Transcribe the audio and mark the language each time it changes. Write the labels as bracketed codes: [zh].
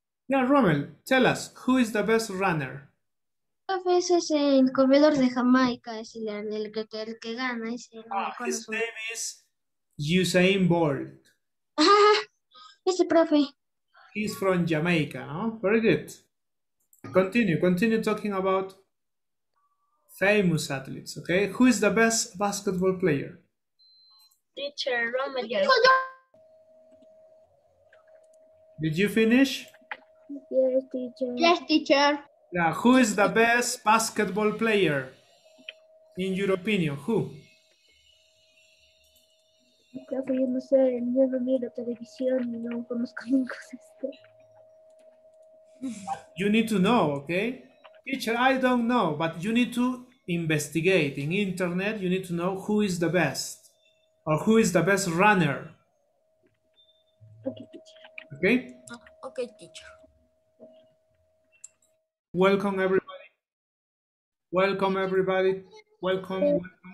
[en] Yeah, Rommel, tell us who is the best runner. [es] Profe, ese es el corredor de Jamaica, es el que gana. Es el [en] his name is Usain Bolt. [es] Ese profe. [en] He's from Jamaica, no? Very good. Continue talking about famous athletes, okay? Who is the best basketball player? Teacher, Rommel. Did you finish? Yes, teacher. Yes, teacher. Yeah, who is the best basketball player in your opinion? Who? [es] Yo no sé, yo no miro televisión y no conozco ningún sistema. [en] You need to know, okay? Teacher, I don't know, but you need to investigate. In internet, you need to know who is the best or who is the best runner. Okay, teacher. Okay? Okay, teacher. Welcome, everybody. Welcome, everybody. Welcome, welcome.